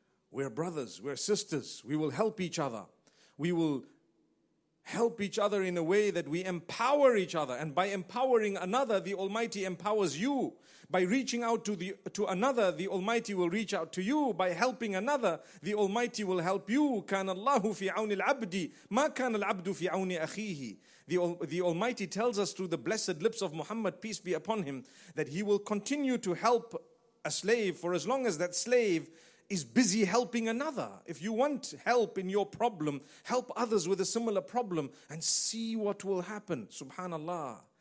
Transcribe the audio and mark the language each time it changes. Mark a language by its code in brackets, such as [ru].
[en] We're brothers, we're sisters. We will help each other. We will help each other in a way that we empower each other. And by empowering another, the Almighty empowers you. By reaching out to another, the Almighty will reach out to you. By helping another, the Almighty will help you. [ar] كان الله في عون العبد ما كان العبد في عون أخيه. [en] The Almighty tells us through the blessed lips of Muhammad, peace be upon him, that he will continue to help a slave for as long as that slave is busy helping another. If you want help in your problem, help others with a similar problem and see what will happen. Subhanallah.